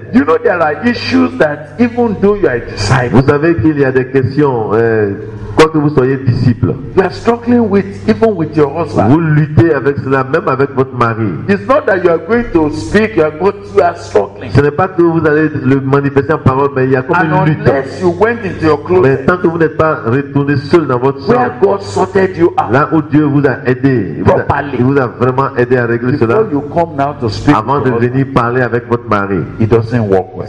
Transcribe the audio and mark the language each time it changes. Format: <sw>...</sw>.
<en>You know there are issues that even though you are a disciple,</en> <fr>vous savez qu'il y a des questions. que vous soyez disciple.</fr> <en>You are struggling with even with your husband.</en> <fr>Vous luttez avec cela, même avec votre mari.</fr> <en>It's not that you are going to speak, you are struggling.</en> <fr>Ce n'est pas que vous allez le manifester en parole, mais il y a comme</fr> <en>and</en> <fr>une lutte.</fr> <en>Unless you went into your closet,</en> <fr>mais tant que vous n'êtes pas retourné seul dans votre</fr> <en>chambre, where God sorted you out,</en> <fr>là où Dieu vous a aidé,</fr> <en>properly,</en> <fr>il vous a vraiment aidé à régler cela.</fr> <en>You come now to speak</en> <fr>avant de venir husband, parler avec votre mari,</fr> <en>it doesn't work well.</en>